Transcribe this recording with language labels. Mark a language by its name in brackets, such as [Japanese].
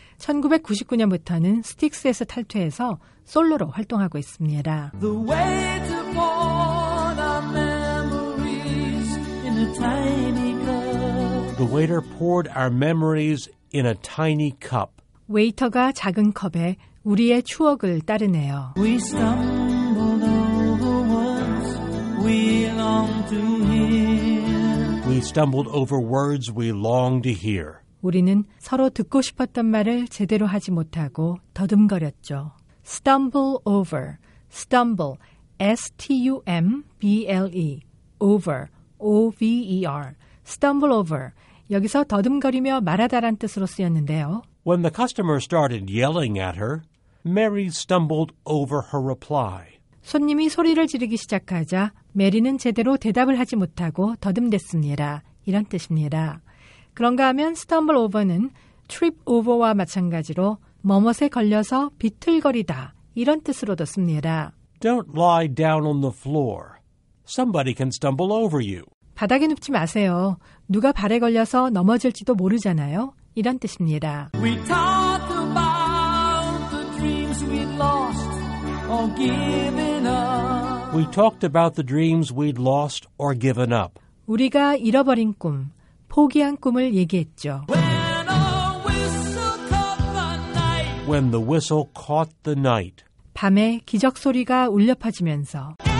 [Korean] 1999년부터는 스틱스에서 탈퇴해서 솔로로 활동하고 있습니다. [English] The way to pour our memories in a tiny cup. The waiter poured our memories in a tiny cup. [Korean] 웨이터가 작은 컵에 우리의 추억을 따르네요. [English] We stumbled over words we long to hear. We stumbled over words we long to hear. [Korean] 우리는 서로 듣고 싶었던 말을 제대로 하지 못하고 더듬거렸죠. [English] Stumble over, stumble, S-T-U-M-B-L-E, over, O-V-E-R, stumble over. [Korean] 여기서 더듬거리며 말하다란 뜻으로 쓰였는데요. [English] When the customer started yelling at her, Mary stumbled over her reply. [Korean] 손님이 소리를 지르기 시작하자 메리는 제대로 대답을 하지 못하고 더듬댔습니다. 이런 뜻입니다. 그런가 하면 stumble over는 trip over와 마찬가지로 뭐뭇에 걸려서 비틀거리다 이런 뜻으로도 씁니다. [English] Don't lie down on the floor. Somebody can stumble over you. [Korean] 바닥에 눕지 마세요. 누가 발에 걸려서 넘어질지도 모르잖아요. 이런 뜻입니다. [English] We talked about the dreams we'd lost or given up. We talked about the dreams we'd lost or given up. [Korean] 우리가 잃어버린 꿈, 포기한 꿈을 얘기했죠. [English] When a whistle caught the night. When the whistle caught the night. [Korean] 밤에 기적 소리가 울려 퍼지면서